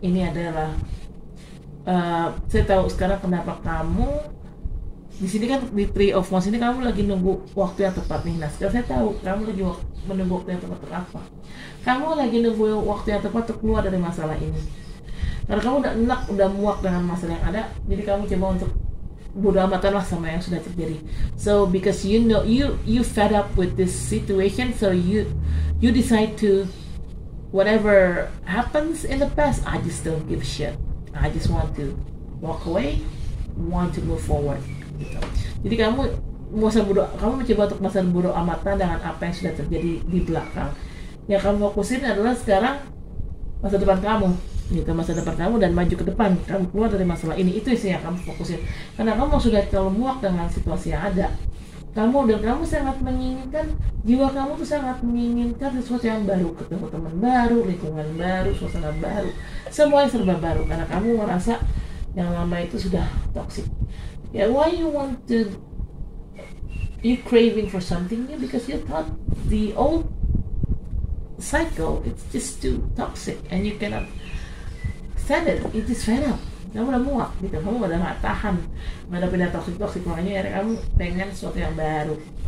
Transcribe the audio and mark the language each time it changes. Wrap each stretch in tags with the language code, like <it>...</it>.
<id>Ini adalah saya tahu sekarang kenapa kamu di sini kan di Three of Wands ini kamu lagi nunggu waktu yang tepat nih. Nah, sekarang saya tahu kamu lagi menunggu waktu yang tepat untuk apa. Kamu lagi nunggu waktu yang tepat untuk keluar dari masalah ini. Karena kamu udah muak dengan masalah yang ada, jadi kamu coba untuk bodo amatlah sama yang sudah terjadi.</id> <en>So because you know you fed up with this situation, so you decide to whatever happens in the past, I just don't give a shit. I just want to walk away, want to move forward. Gitu.</en> <id>Jadi kamu mencoba untuk masa bodo amatan dengan apa yang sudah terjadi di belakang. Yang kamu fokusin adalah sekarang masa depan kamu. Gitu, masa depan kamu dan maju ke depan. Kamu keluar dari masalah ini, itu sih yang kamu fokusin. Karena kamu sudah terlalu muak dengan situasi yang ada. Kamu sangat menginginkan, jiwa kamu tuh sangat menginginkan sesuatu yang baru, ketemu teman baru, lingkungan baru, suasana baru, semuanya serba baru, karena kamu merasa yang lama itu sudah toxic.</id> <en>Yeah, why you want to, you craving for something new? Because you thought the old cycle, it's just too toxic and you cannot stand it, it is fed up.</en> <id>Kamu udah muak, gitu. Kamu udah gak tahan, gak ada pindah toksik-toksik, makanya ya kamu pengen sesuatu yang baru.</id>